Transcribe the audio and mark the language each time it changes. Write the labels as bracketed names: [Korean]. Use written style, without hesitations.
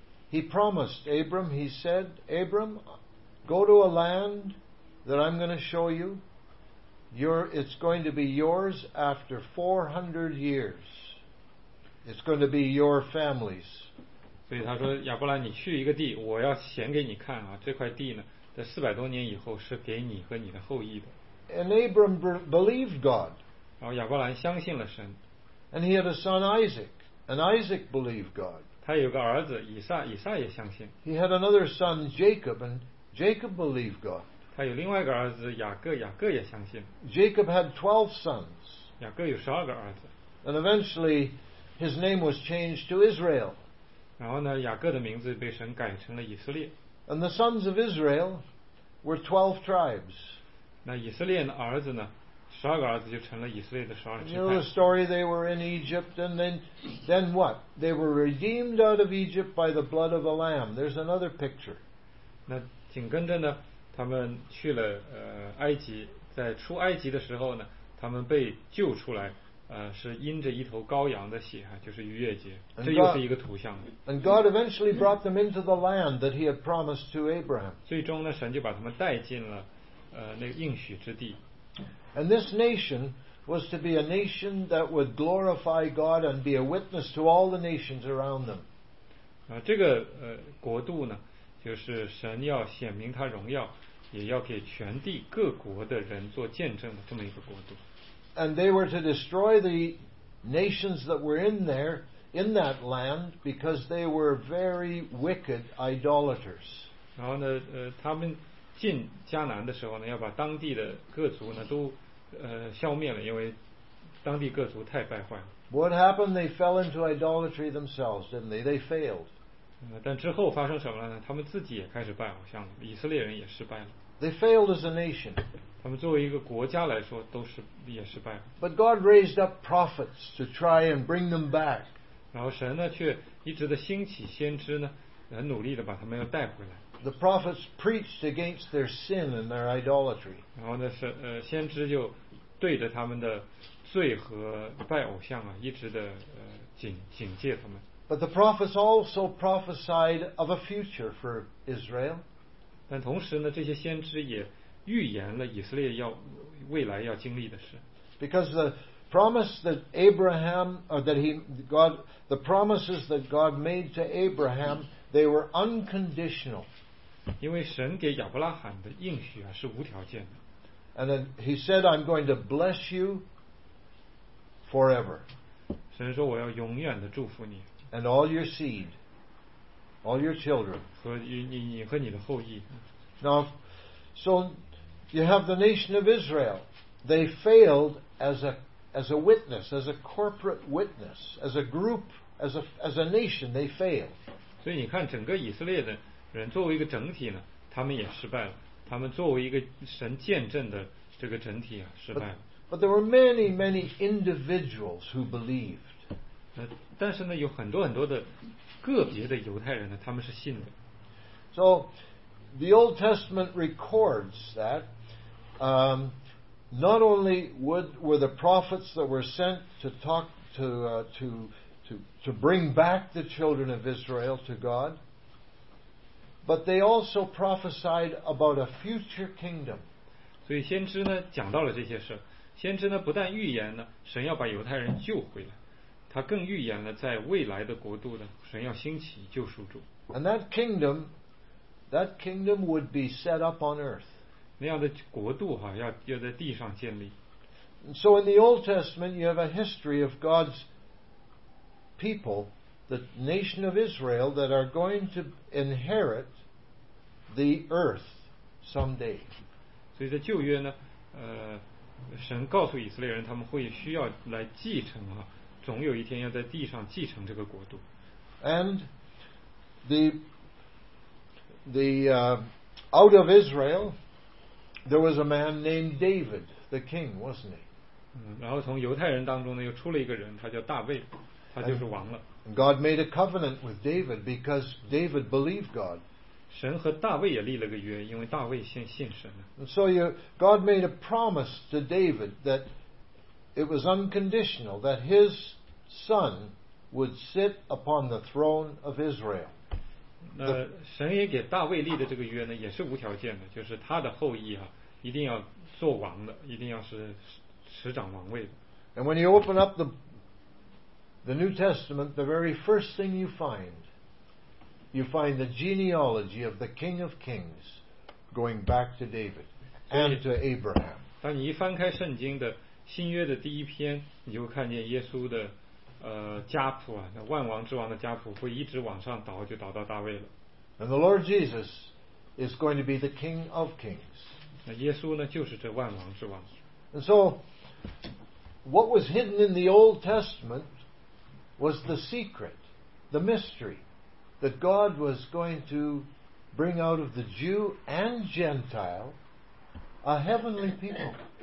[English] He promised Abram, he said, Abram, go to a land that I'm going to show you. It's going to be yours after 400 years. It's going to be your family's [Chinese] 所以他说亚伯拉你去一个地我要显给你看啊，这块地呢在四百多年以后是给你和你的后裔的。 [English] And Abram believed God. [Chinese] 然后亚伯兰相信了神。 [English] And he had a son Isaac. And Isaac believed God. [Chinese] 他有个儿子以撒，以撒也相信。 [English] He had another son Jacob. And Jacob believed God. [Chinese] 他有另外一个儿子雅各，雅各也相信。 [English] Jacob had 12 sons. [Chinese] 雅各有十二个儿子。 [English] And eventually his name was changed to Israel. [Chinese] 然后呢雅各的名字被神改成了以色列。 [English] And the sons of Israel were 12 tribes. [Chinese] 那以色列的儿子呢，十二个儿子就成了以色列的十二支派。 [English] You know the story, they were in Egypt, and then what? They were redeemed out of Egypt by the blood of the Lamb. There's another picture. [Chinese] 那紧跟着呢，他们去了埃及，在出埃及的时候呢，他们被救出来，是因着一头羔羊的血啊，就是逾越节，这又是一个图像。 [English] And God eventually brought them into the land that He had promised to Abraham. [Chinese] 最终呢，神就把他们带进了那个应许之地。 [English] And this nation was to be a nation that would glorify God and be a witness to all the nations around them. [Chinese] 这个国度呢，就是神要显明他荣耀，也要给全地各国的人做见证的这么一个国度。 [English] And they were to destroy the nations that were in there, in that land, because they were very wicked idolaters. [Chinese] 然后呢，他们进迦南的时候呢，要把当地的各族呢都消灭了，因为当地各族太败坏了。 [English] What happened? They fell into idolatry themselves, didn't they? They failed. [Chinese] 但之后发生什么了呢？他们自己也开始拜偶像了，以色列人也失败了。 [English] They failed as a nation. [Chinese] 他们作为一个国家来说都是也失败了。 [English] But God raised up prophets to try and bring them back. [Chinese] 然后神呢却一直的兴起先知呢，很努力的把他们要带回来。 [English] The prophets preached against their sin and their idolatry. [Chinese] 然后呢先知就对着他们的罪和拜偶像啊，一直的警戒他们。 [English] But the prophets also prophesied of a future for Israel. [Chinese] 但同时呢，这些先知也预言了以色列要未来要经历的事。 [English] Because the promise that Abraham or that he God the promises that God made to Abraham they were unconditional. [Chinese] 因为神给亚伯拉罕的应许啊是无条件的。 [English] And then he said, "I'm going to bless you forever." [Chinese] 神说我要永远的祝福你。 [English] And all your seed, all your children. [Chinese] 和你和你的后裔。 [English] Now, so. You have the nation of Israel. They failed as a witness, as a corporate witness, as a group, as a nation. They failed. [Chinese] 所以你看，整个以色列的人作为一个整体呢，他们也失败了。他们作为一个神见证的这个整体啊，失败了。 [English] But there were many, many individuals who believed. [Chinese] 但是呢，有很多很多的个别的犹太人呢，他们是信的。 [English] So. The Old Testament records that not only were the prophets that were sent to talk to bring back the children of Israel to God, but they also prophesied about a future kingdom. [Chinese] 所以先知呢讲到了这些事。先知呢不但预言呢神要把犹太人救回来，他更预言了在未来的国度呢神要兴起救赎主。 [English] And that kingdom. That kingdom would be set up on earth. [Chinese] 那样的国度哈，要在地上建立。 [English] So in the Old Testament, you have a history of God's people, the nation of Israel, that are going to inherit the earth someday. [Chinese] 所以在旧约呢，神告诉以色列人，他们会需要来继承啊，总有一天要在地上继承这个国度。 [English] And the out of Israel, there was a man named David, the king, wasn't he? [Chinese] 然后从犹太人当中呢，又出了一个人，他叫大卫，他就是王了。 [English] And God made a covenant with David because David believed God. [Chinese] 神和大卫也立了个约，因为大卫先信神了。 [English] And so God made a promise to David that it was unconditional that his son would sit upon the throne of Israel. [Chinese] 那神也给大卫立的这个约呢，也是无条件的，就是他的后裔啊，一定要做王的，一定要是执掌王位的。 [English] And when you open up the New Testament, the very first thing you find you find the genealogy of the King of Kings going back to David and to Abraham. [Chinese] 当你一翻开圣经的新约的第一篇，你就看见耶稣的家谱啊，那万王之王的家谱会一直往上倒，就倒到大卫了。 [English] And the Lord Jesus is going to be the King of Kings. [Chinese] 那耶稣呢，就是这万王之王。 [English] And so, what was hidden in the Old Testament was the secret, the mystery that God was going to bring out of the Jew and Gentile a heavenly people.